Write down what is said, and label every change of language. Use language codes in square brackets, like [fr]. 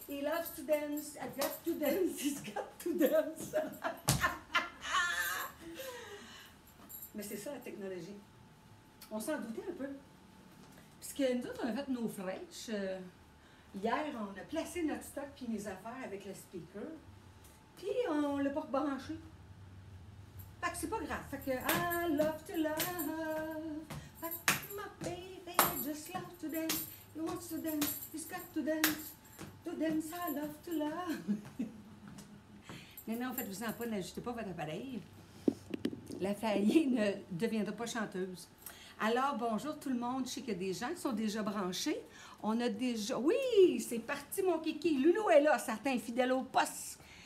[en] He loves to dance, I got to dance, he's got to dance. [fr] Mais c'est ça la technologie. On s'en doutait un peu. Puisque nous autres, on a fait nos French. Hier, on a placé notre stock puis mes affaires avec le speaker. Puis on l'a pas rebranché. Fait que c'est pas grave. Fait que [en] I love to love. [fr] Fait que [en] my baby just love to dance. He wants to dance, he's got to dance, I love to love. [fr] Mais non, faites-vous en pas, n'ajoutez pas votre appareil. La faillie ne deviendra pas chanteuse. Alors, bonjour tout le monde, je sais qu'il y a des gens qui sont déjà branchés. On a déjà... Oui, c'est parti mon kiki, Lulu est là, certains fidèles au poste.